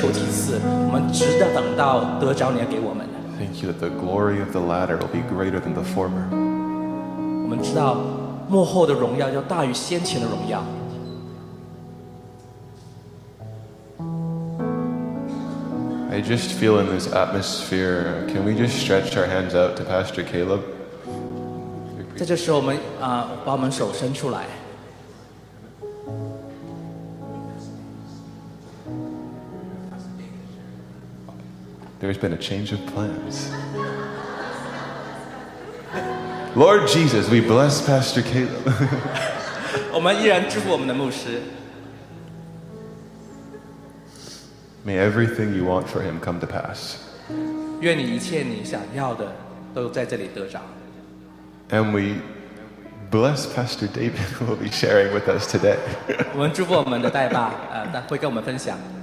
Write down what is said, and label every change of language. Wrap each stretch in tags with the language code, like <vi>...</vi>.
<zh>我们的心说，我们不会退而求其次，我们值得等到得着你要给我们的。</zh> <en>Thank you that the glory of the latter will be greater than the former.</en> <zh>我们知道。幕后的荣耀要大于先前的荣耀。</zh> <en>I just feel in this atmosphere, can we just stretch our hands out to Pastor Caleb?</en> <zh>在这时候我们, 把我们手伸出来。</zh> <en>There's been a change of plans. Lord Jesus, we bless Pastor Caleb.</en> <zh>我们依然祝福我们的牧师。</zh> <en>May everything you want for him come to pass.</en> <zh>愿你一切你想要的都在这里得着。</zh> <en>And we bless Pastor David who will be sharing with us today.</en> <zh>我们祝福我们的代爸, 会跟我们分享。</zh>